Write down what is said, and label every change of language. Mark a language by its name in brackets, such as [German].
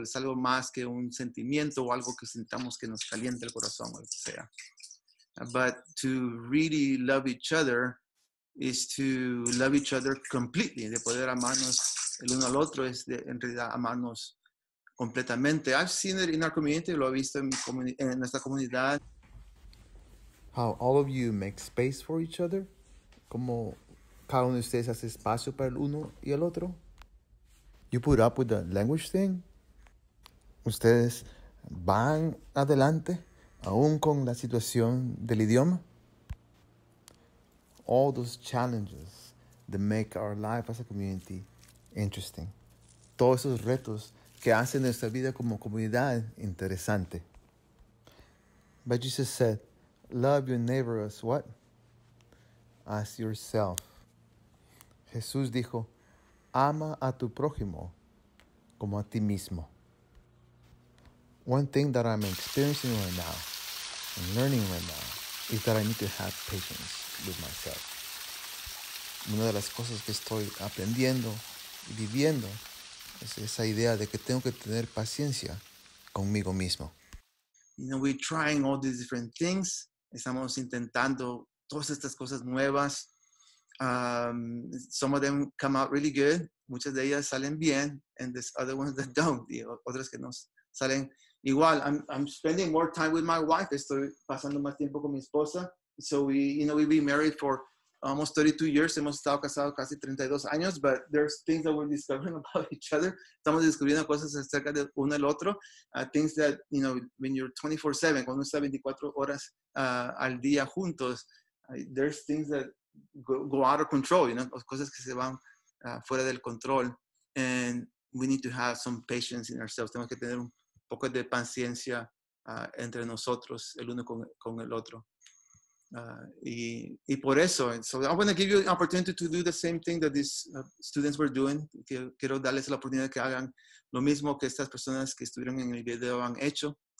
[Spanish] Es algo más que un sentimiento o algo que sentamos que nos calienta el corazón o lo que sea. [English] But to really love each other is to love each other completely. [Spanish] De poder amarnos el uno al otro es de, en realidad amarnos completamente. [English] I've seen it in our community, [Spanish] lo he visto en nuestra comunidad. [English] How all of you make space for each other? [Spanish] Como cada uno de ustedes hace espacio para el uno y el otro? [English] You put up with the language thing? [Spanish] Ustedes van adelante, aún con la situación del idioma? [English] All those challenges that make our life as a community interesting. [Spanish] Todos esos retos que hace nuestra vida como comunidad interesante. [English] But Jesus said, love your neighbor as what? As yourself. [Spanish] Jesús dijo, ama a tu prójimo como a ti mismo. [English] One thing that I'm experiencing right now and learning right now is that I need to have patience with myself. [Spanish] Una de las cosas que estoy aprendiendo y viviendo es esa idea de que tengo que tener paciencia conmigo mismo. [English] You know, we're trying all these different things. [Spanish] Estamos intentando todas estas cosas nuevas. [English] Some of them come out really good. [Spanish] Muchas de ellas salen bien. [English] And there's other ones that don't. [Spanish] Y otras que no salen igual. [English] I'm spending more time with my wife. [Spanish] Estoy pasando más tiempo con mi esposa. [English] So we, you know, we've been married for almost 32 years, [Spanish] hemos estado casados casi 32 años, [English] but there's things that we're discovering about each other. [Spanish] Estamos descubriendo cosas acerca de uno al otro. [English] Things that, you know, when you're 24/7, [Spanish] cuando está 24 horas al día juntos, [English] there's things that go out of control, you know, [Spanish] cosas que se van fuera del control. [English] And we need to have some patience in ourselves. [Spanish] Tenemos que tener un poco de paciencia entre nosotros, el uno con el otro. Y por eso, [English] so I want to give you an opportunity to do the same thing that these students were doing. [Spanish] Quiero darles la oportunidad que hagan lo mismo que estas personas que estuvieron en el video han hecho.